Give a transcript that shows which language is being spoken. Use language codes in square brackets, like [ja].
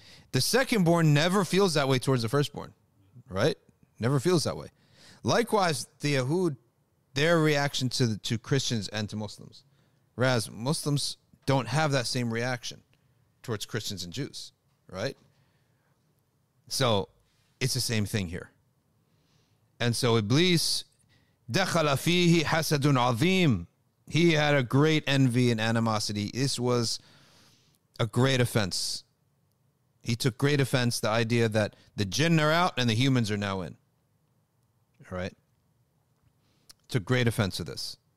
[en] The secondborn never feels that way towards the firstborn, right? Never feels that way. Likewise, the Yahud, their reaction to Christians and to Muslims. Whereas Muslims don't have that same reaction towards Christians and Jews, right? So it's the same thing here. And so [ar] Iblis, دَخَلَ فِيهِ حَسَدٌ عَظِيمٌ. [en] He had a great envy and animosity. This was a great offense. He took great offense, the idea that the jinn are out and the humans are now in. All right? Took great offense to this.